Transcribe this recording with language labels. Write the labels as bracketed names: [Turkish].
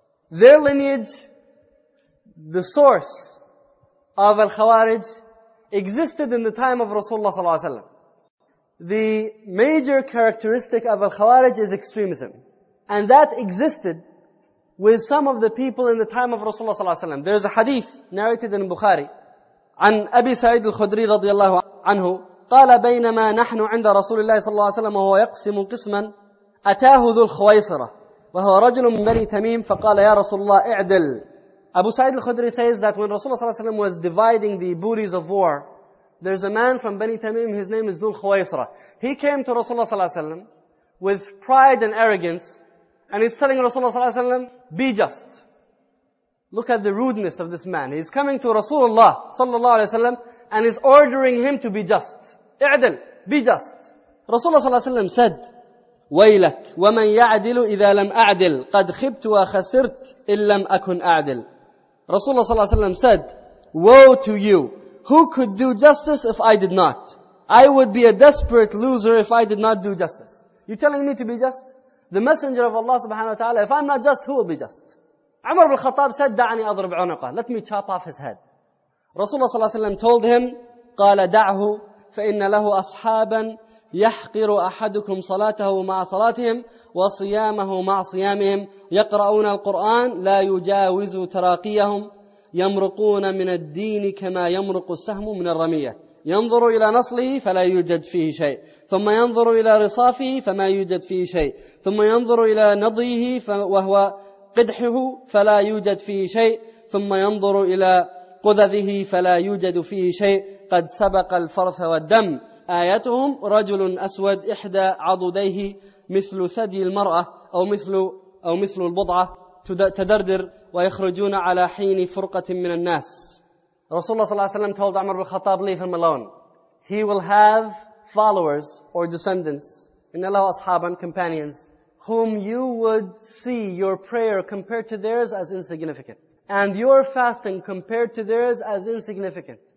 [English] Their lineage, the source of Al-Khawarij, existed in the time of Rasulullah sallallahu alaihi wasallam. The major characteristic of Al-Khawarij is extremism. And that existed with some of the people in the time of Rasulullah sallallahu alaihi wasallam. There's a hadith narrated in Bukhari. [Arabic] عن أبي سعيد الخدري رضي الله عنه قال بينما نحن عند رسول الله صلى الله عليه وسلم وهو يقسم قسما أتاه ذو الخويصرة وهو رجل من بني تميم فقال يا رسول الله اعدل. [English] Abu Sa'id al-Khudri says that when Rasulullah sallallahu alaihi wasallam was dividing the booties of war, there's a man from Bani Tamim, his name is Dhul Khuwaisra. He came to Rasulullah sallallahu alaihi wasallam with pride and arrogance, and he's telling Rasulullah sallallahu alaihi wasallam, be just. Look at the rudeness of this man. He's coming to Rasulullah sallallahu alaihi wasallam and he's ordering him to be just. I'dil, be just. [Arabic] Rasulullah sallallahu alaihi wasallam said, ويلك ومن يعدل إذا لم أعدل قد خبت وخسرت إن لم أكن أعدل. [English] Rasulullah sallallahu alaihi wasallam said, woe to you, who could do justice if I did not? I would be a desperate loser if I did not do justice. You're telling me to be just? The Messenger of Allah subhanahu wa ta'ala, if I'm not just, who will be just? Umar ibn al-Khattab said, [Arabic] دعني أضرب عنقه, [English] let me chop off his head. [Arabic] Rasulullah sallallahu alaihi wasallam told him, قال دعه فإن له أصحابا يحقر أحدكم صلاته مع صلاتهم وصيامه مع صيامهم يقرؤون القرآن لا يجاوز تراقيهم يمرقون من الدين كما يمرق السهم من الرمية ينظر إلى نصله فلا يوجد فيه شيء ثم ينظر إلى رصافه فما يوجد فيه شيء ثم ينظر إلى نضيه وهو قدحه فلا يوجد فيه شيء ثم ينظر إلى قذذه فلا يوجد فيه شيء قد سبق الفرث والدم آيتهم رجل أسود إحدى عضديه مثل ثدي المرأة أو مثل البضعة تدردر ويخرجون على حين فرقة من الناس. [English] Rasulullah sallallahu alaihi wasallam told Umar bin Khattab, leave him alone. He will have followers or descendants, [Arabic] إن له أصحابا, [English] companions, whom you would see your prayer compared to theirs as insignificant, and your fasting compared to theirs as insignificant.